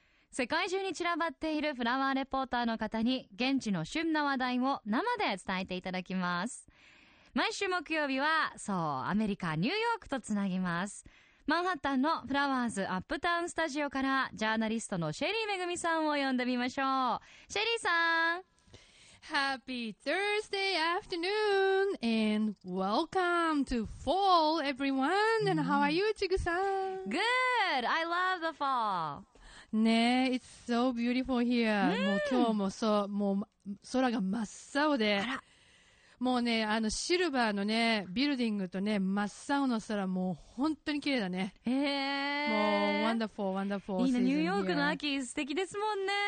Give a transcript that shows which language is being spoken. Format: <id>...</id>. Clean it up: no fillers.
<ja>世界中に散らばっているフラワーレポーターの方に現地の旬な話題を生で伝えていただきます。毎週木曜日はそうアメリカニューヨークとつなぎます。マンハッタンのフラワーズアップタウンスタジオからジャーナリストのシェリーめぐみさんを呼んでみましょう。シェリーさん、</ja> <en>Happy Thursday afternoon and welcome to fall everyone. And how are you, Chigu-san? Good. I love the fall. ね、It's so beautiful here.</en> <ja>もう今日もそう、もう空が真っ青で、もうね、あのシルバーのね、ビルディングとね、真っ青の空、もう本当に綺麗だね。</ja> <en>もう wonderful, wonderful.</en> <ja>いいな、ニューヨークの秋素敵ですもんね。</ja>